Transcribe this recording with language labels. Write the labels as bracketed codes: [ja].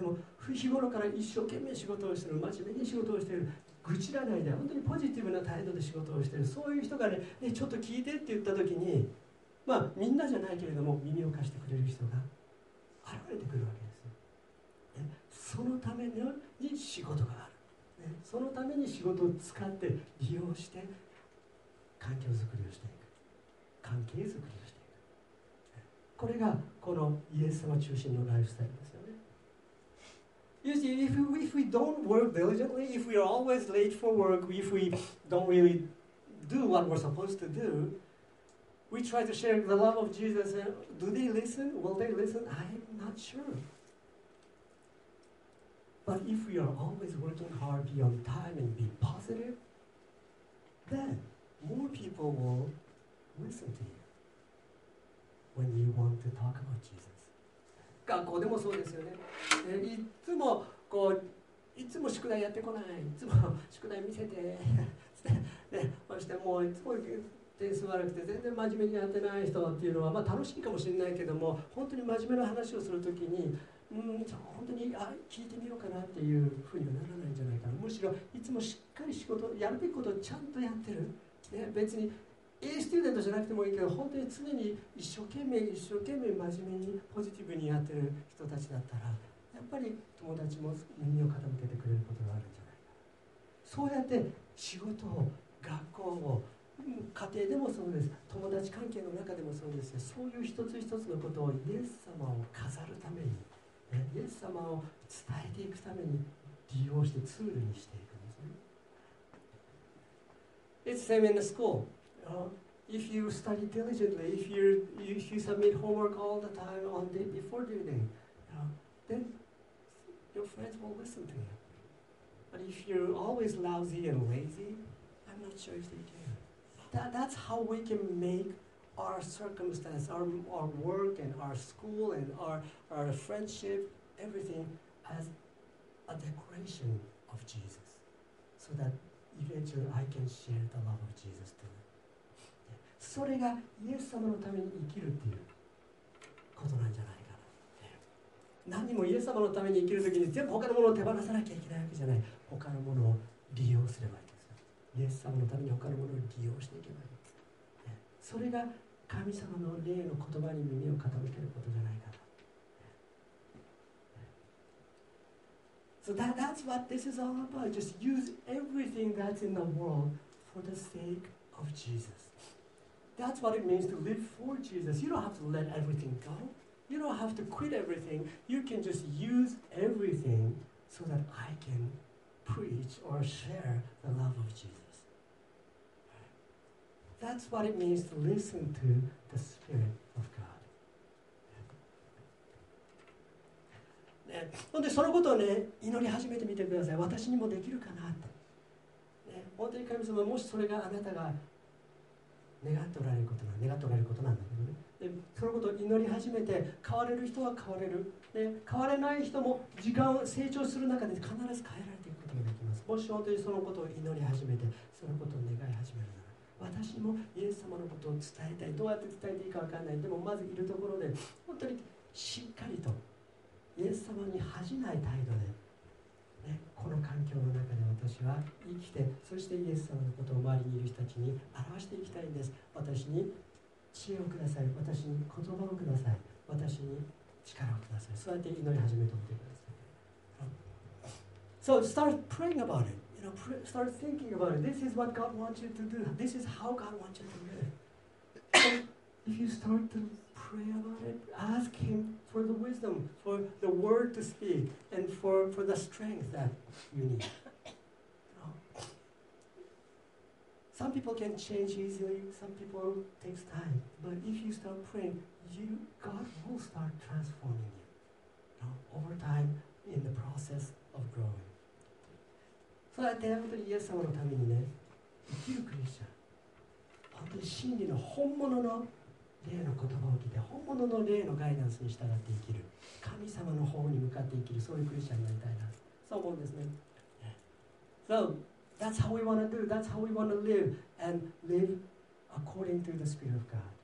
[ja] でも日頃から一生懸命仕事をしている、真面目に仕事をしている、愚痴らないで本当にポジティブな態度で仕事をしている、そういう人が ねちょっと聞いてって言った時に、まあみんなじゃないけれども耳を貸してくれる人が現れてくるわけですよ、ね、そのために仕事がある、ね、そのために仕事を使って利用して環境づくりをしていく、関係づくりをしていく、これがこのイエス様中心のライフスタイルですよね。 [en] You see, if we don't work diligently, if we are always late for work, if we don't really do what we're supposed to do, we try to share the love of Jesus, and do they listen? Will they listen? I'm not sure. But if we are always working hard, be on time, and be positive, then more people will listen to you when you want to talk about Jesus. [ja] 学校でもそうですよね。いつもこう、いつも宿題やってこない、いつも宿題見せて、ね、そしてもういつも点数悪くて全然真面目にやってない人っていうのは、まあ、楽しいかもしれないけども、本当に真面目な話をするときに、本当に聞いてみようかなっていうふうにはならないんじゃないかな。むしろいつもしっかり仕事、やるべきことをちゃんとやってる。ね、別に、A スチューデントじゃなくてもいいけど、本当に常に一生懸命真面目にポジティブにやってる人たちだったら、やっぱり友達も耳を傾けてくれることがあるんじゃないか。そうやって仕事を、学校を、家庭でもそうです、友達関係の中でもそうですよ。そういう一つ一つのことをイエス様を飾るために、ね、イエス様を伝えていくために利用してツールにしていくんですね。 [en] It's the same in the schoolIf you study diligently, if you submit homework all the time on day before the day, then your friends will listen to you. But if you're always lousy and lazy, I'm not sure if they do. That's how we can make our circumstance, our work and our school and our friendship, everything as a decoration of Jesus, so that eventually I can share the love of Jesus to them. [ja] それがイエス様のために生きるっていうことなんじゃないかな。何もイエス様のために生きるときに全部他のものを手放さなきゃいけないわけじゃない。他のものを利用すればいいんですよ。イエス様のために他のものを利用していけばいい。それが神様の霊の言葉に耳を傾けることじゃないかな。 [en] So that's what this is all about. Just use everything that's in the world for the sake of Jesus. That's what it means to live for Jesus. You don't have to let everything go. You don't have to quit everything. You can just use everything so that I can preach or share the love of Jesus. That's what it means to listen to the Spirit of God. [ja] ね、ほんでそのことをね、祈り始めてみてください。私にもできるかなって。ね、本当に神様、もしそれがあなたが願っておられることなんだけどね。でそのことを祈り始めて、変われる人は変われる。で変われない人も時間を成長する中で必ず変えられていくことができます。もし本当にそのことを祈り始めて、そのことを願い始めるなら、私もイエス様のことを伝えたい。どうやって伝えていいか分からない。でもまずいるところで、本当にしっかりとイエス様に恥じない態度で、ね、この環境の中で私は生きて、そしてイエス様のことを周りにいる人たちに表していきたいんです。私に知恵をください、私に言葉をください、私に力をください。そうやって祈り始めておいてください。 [en] So start praying about it, you know, start thinking about it. This is what God wants you to do. This is how God wants you to live. If you start to pray about it, ask Him for the wisdom, for the word to speak, and for the strength that you need. Some people can change easily, some people take time. But if you start praying, you, God will start transforming you, you know, over time in the process of growing. [ja] そうやって本当にイエス様のためにね、生きるクリスチャン、本当に真理の本物の霊の言葉を聞いて、本物の霊のガイダンスに従って生きる、神様の方に向かって生きる、そういうクリスチャンになりたいな、そう思うんですね。 [en] So that's how we want to do. That's how we want to live and live according to the Spirit of God.